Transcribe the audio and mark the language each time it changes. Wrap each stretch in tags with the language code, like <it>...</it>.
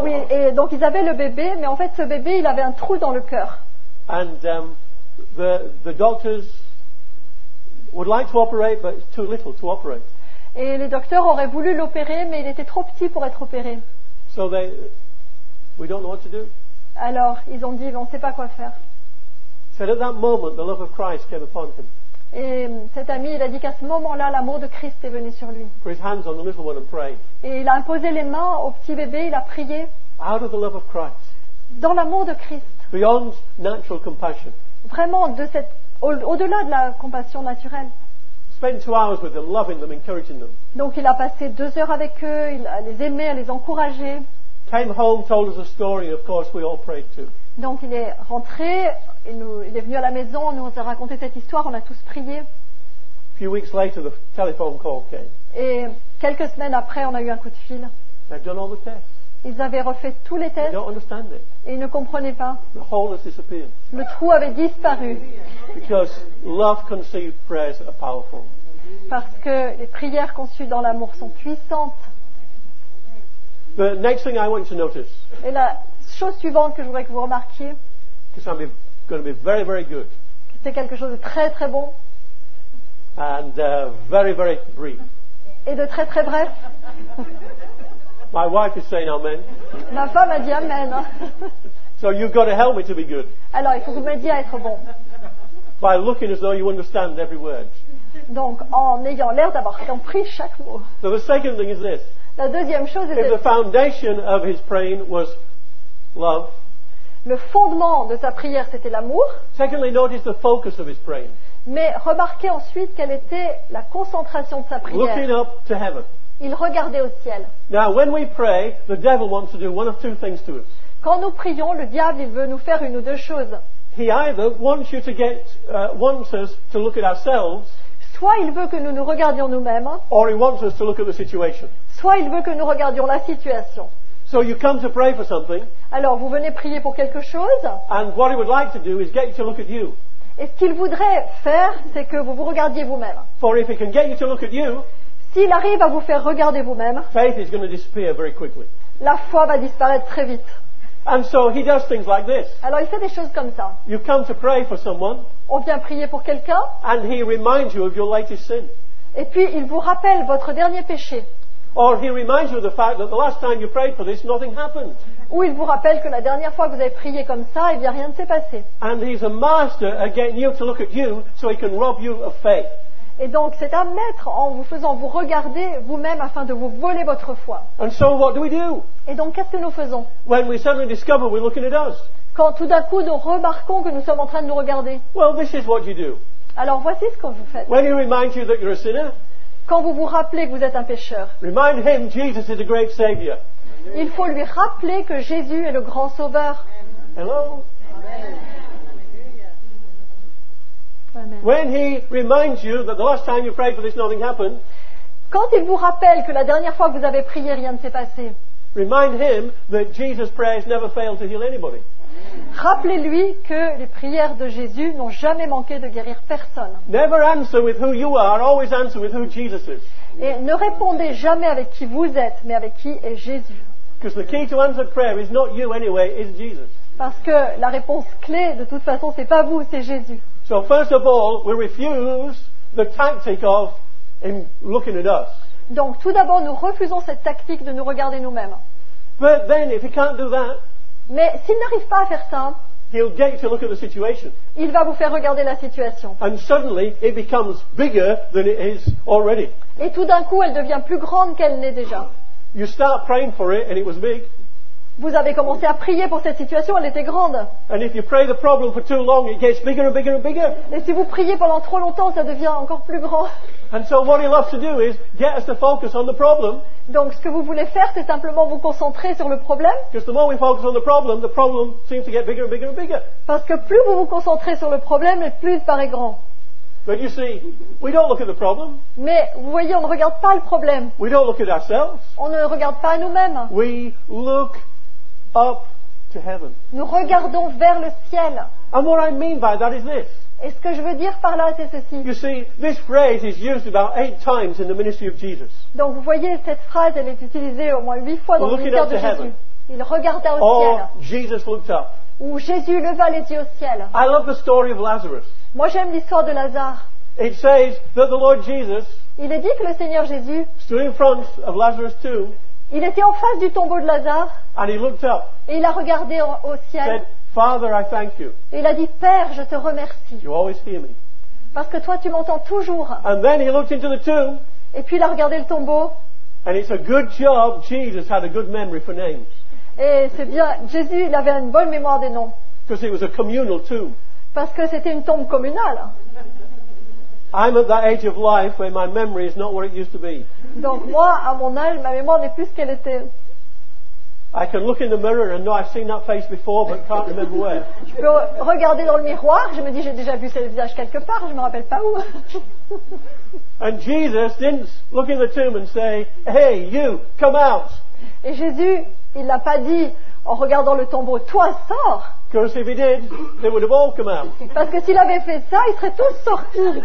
<fr>Et donc ils avaient le bébé, mais en fait ce bébé, il avait un trou dans le cœur.</fr> <en>And the doctors would like to operate, but too little to operate.</en> <fr>Et les docteurs auraient voulu l'opérer, mais il était trop petit pour être opéré.</fr> <en>So they, we don't know what to do.</en> <fr>Alors ils ont dit, on ne sait pas quoi faire.</fr> <en>So at that moment, the love of Christ came upon him.</en> <fr>Et cet ami, il a dit qu'à ce moment-là, l'amour de Christ est venu sur lui.</fr> <en>Put his hands on the little one and pray.</en> <fr>Et il a imposé les mains au petit bébé, il a prié.</fr> <en>Out of the love of Christ.</en> <fr>Dans l'amour de Christ.</fr> <en>Beyond natural compassion.</en> <fr>Vraiment, au-delà de la compassion naturelle.</fr> <en>Spent 2 hours with them, loving them, encouraging them.</en> <fr>Donc il a passé 2 heures avec eux, il a les aimé, à les encourager.</fr> <en>Came home, told us a story, of course we all prayed too.</en> <fr>Donc il est rentré, il est venu à la maison, nous a raconté cette histoire, on a tous prié.</fr> <en>A few weeks later, the telephone call came.</en> <fr>Et quelques semaines après, on a eu un coup de fil.</fr> <en>They've done all the tests.</en> <fr>Ils avaient refait tous les tests.</fr> <en>They don't understand it.</en> <fr>Et ils ne comprenaient pas.</fr> <en>The hole has disappeared.</en> <fr>Le trou avait disparu.</fr> <en>Because love can see prayers are powerful.</en> <fr>parce que les prières conçues dans l'amour sont puissantes.</fr> <en>The next thing I want you to notice.</en> <fr>Et la chose suivante que je voudrais que vous remarquiez.</fr> <en>Going to be very, very good.</en> <fr>C'est quelque chose de très, très bon.</fr> <en>And very, very brief.</en> <fr>Et de très, très bref.</fr> <en>My wife is saying amen.</en> <fr>Ma femme a dit amen.</fr> <en>So you've got to help me to be good.</en> <fr>Alors, il faut que vous m'aidiez à être bon.</fr> <en>By looking as though you understand every word.</en> <fr>Donc, en ayant l'air d'avoir compris chaque mot.</fr> <en>So the second thing is this.</en> <fr>La deuxième chose est</fr> <en>if the foundation of his praying was love.</en> <fr>Le fondement de sa prière, c'était l'amour.</fr> <en>Secondly, notice the focus of his praying.</en> <fr>Mais remarquez ensuite quelle était la concentration de sa prière.</fr> <en>Looking up to heaven.</en> <fr>Il regardait au ciel.</fr> <en>Now, when we pray, the devil wants to do one of two things to us.</en> <fr>Quand nous prions, le diable il veut nous faire une ou deux choses.</fr> <en>He either wants you to get wants us to look at ourselves.</en> <fr>Soit il veut que nous nous regardions nous-mêmes.</fr> <en>Or he wants us to look at the situation.</en> <fr>Soit il veut que nous regardions la situation.</fr> <en>So you come to pray for something.</en> <fr>Alors vous venez prier pour quelque chose.</fr> <en>And what he would like to do is get you to look at you.</en> <fr>Et ce qu'il voudrait faire, c'est que vous vous regardiez vous-même.</fr> <en>For if he can get you to look at you.</en> <fr>S'il arrive à vous faire regarder vous-même.</fr> <en>Faith is going to disappear very quickly.</en> <fr>La foi va disparaître très vite.</fr> <en>And so he does things like this.</en> <fr>Alors il fait des choses comme ça.</fr> <en>You come to pray for someone.</en> <fr>On vient prier pour quelqu'un.</fr> <en>And he reminds you of your latest sin.</en> <fr>Et puis il vous rappelle votre dernier péché.</fr> <en>Or he reminds you of the fact that the last time you prayed for this, nothing happened.</en> <fr>Ou il vous rappelle que la dernière fois que vous avez prié comme ça, eh bien rien ne s'est passé.</fr> <en>And he's a master at getting you to look at you so he can rob you of faith.</en> <fr>Et donc c'est un maître en vous faisant vous regarder vous-même afin de vous voler votre foi.</fr> <en>And so what do we do?</en> <fr>Et donc qu'est-ce que nous faisons?</fr> <en>When we suddenly discover we're looking at us.</en> <fr>Quand tout d'un coup nous remarquons que nous sommes en train de nous regarder.</fr> <en>Well, this is what you do.</en> <fr>Alors voici ce que vous faites.</fr> <en>When he reminds you that you're a sinner.</en> <fr>Quand vous vous rappelez que vous êtes un pécheur.</fr> <en>Remind him Jesus is a great savior.</en> <fr>Il faut lui rappeler que Jésus est le grand sauveur.</fr> <en>Hello? Amen. When he reminds you that the last time you prayed for this nothing happened.</en> <fr>Quand il vous rappelle que la dernière fois que vous avez prié rien ne s'est passé.</fr> <en>Remind him that Jesus' prayers never failed to heal anybody.</en> <fr>Rappelez-lui que les prières de Jésus n'ont jamais manqué de guérir personne.</fr> <en>Never answer with who you are, always answer with who Jesus is.</en> <fr>Et ne répondez jamais avec qui vous êtes, mais avec qui est Jésus.</fr> <en>Because the key to answered prayer is not you anyway, it's Jesus.</en> <fr>Parce que la réponse clé de toute façon c'est pas vous, c'est Jésus.</fr> <en>So first of all, we refuse the tactic of him looking at us.</en> <fr>Donc tout d'abord nous refusons cette tactique de nous regarder nous-mêmes.</fr> <en>But then if he can't do that,</en> <fr>mais s'il n'arrive pas à faire ça,</fr> <en>he'll get you to look at the situation.</en> <fr>Il va vous faire regarder la situation.</fr> <en>And suddenly it becomes bigger than it is already.</en> <fr>Et tout d'un coup elle devient plus grande qu'elle n'est déjà.</fr> <en>You start praying for it and it was big.</en> <fr>Vous avez commencé à prier pour cette situation, elle était grande.</fr> <en>And if you pray the problem for too long, it gets bigger and bigger and bigger.</en> <fr>Et si vous priez pendant trop longtemps, ça devient encore plus grand.</fr> <en>And so what he loves to do is get us to focus on the problem.</en> <fr>Donc ce que vous voulez faire, c'est simplement vous concentrer sur le problème.</fr> <en>Because the more we focus on the problem seems to get bigger and bigger and bigger.</en> <fr>Parce que plus vous vous concentrez sur le problème, plus il paraît grand.</fr> <en>But you see, we don't look at the problem.</en> <fr>Mais vous voyez, on ne regarde pas le problème.</fr> <en>We don't look at ourselves.</en> <fr>On ne regarde pas à nous-mêmes.</fr> <en>We look up to heaven.</en> <fr>Nous regardons vers le ciel.</fr> <en>And what I mean by that is this.</en> <fr>Et ce que je veux dire par là, c'est ceci.</fr> <en>You see, this phrase is used about 8 times in the ministry of Jesus.</en> <fr>Donc vous voyez, cette phrase, elle est utilisée au moins 8 fois dans le ministère de Jésus. Il regarda au ciel.</fr> <en>Or Jesus looked up.</en> <fr>Ou Jésus leva les yeux au ciel.</fr> <en>I love the story of Lazarus.</en> <fr>Moi j'aime l'histoire de Lazare.</fr> <en>It says that the Lord Jesus.</en> <fr>Il est dit que le Seigneur Jésus.</fr> <en>Stood in front of Lazarus too.</en> <fr>Il était en face du tombeau de Lazare.</fr> <en>And he looked up.</en> <fr>Et il a regardé au ciel.</fr> <en>Said, Father, I thank you.</en> <fr>Et il a dit, Père, je te remercie.</fr> <en>You always hear me.</en> <fr>Parce que toi, tu m'entends toujours.</fr> <en>And then he looked into the tomb.</en> <fr>Et puis il a regardé le tombeau.</fr> <en>And it's a good job Jesus had a good memory for names.</en> <fr>Et c'est bien, Jésus, il avait une bonne mémoire des noms.</fr> <en>Because it was a communal tomb.</en> <fr>Parce que c'était une tombe communale.</fr> <en>I'm at that age of life where my memory is not what it used to be.</en> <fr>Donc moi, à mon âge, ma mémoire n'est plus ce qu'elle était.</fr> <en>I can look in the mirror and know I've seen that face before, but can't remember where.</en> <fr>Je peux regarder dans le miroir, je me dis j'ai déjà vu ce visage quelque part, je me rappelle pas où.</fr> <en>And Jesus didn't look in the tomb and say, "Hey, you, come out."</en> <fr>Et Jésus, il l'a pas dit en regardant le tombeau, toi sors.</fr> <en>Because if he did, they would have all come out.</en> <fr>Parce que s'il avait fait ça, ils seraient tous sortis.</fr>